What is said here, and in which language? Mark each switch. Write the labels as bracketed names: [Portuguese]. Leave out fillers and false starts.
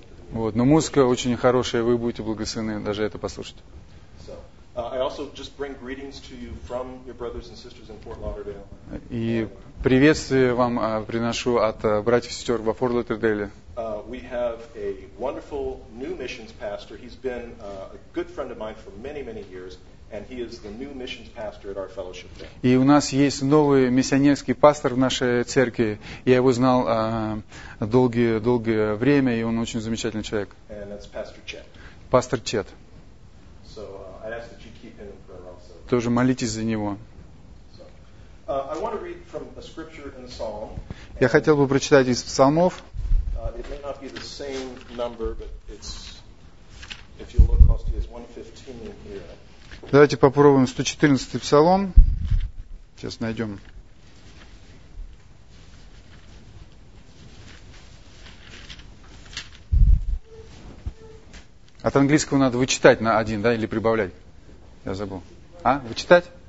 [Russian] Вот, но музыка очень хорошая, вы будете благословены даже это послушать. [English] I also just bring greetings to you from your brothers and sisters in Fort Lauderdale. [Russian] И приветствие вам приношу от братьев и сестер во Форт Лодердейле. [English] We have a wonderful new missions pastor. He's been a good friend of mine for many, many years, and he is the new missions pastor at our fellowship there. [Russian] И у нас есть новый миссионерский пастор в нашей церкви. Я его знал долгое время, и он очень замечательный человек. [English] And that's Pastor Chet. [Russian] Пастор Чет. [English] So I ask that you keep him in prayer also. [Russian] Тоже молитесь за него. [English] I want to read from a scripture in Psalm. [Russian] Я хотел бы прочитать из Псалмов. [English] It may not be the same number, but it's, if you look closely, it's 115 in here. [Russian] Давайте попробуем 114 Псалом. Сейчас найдем. От английского надо вычитать на один, да, или прибавлять. Я забыл. А, вычитать?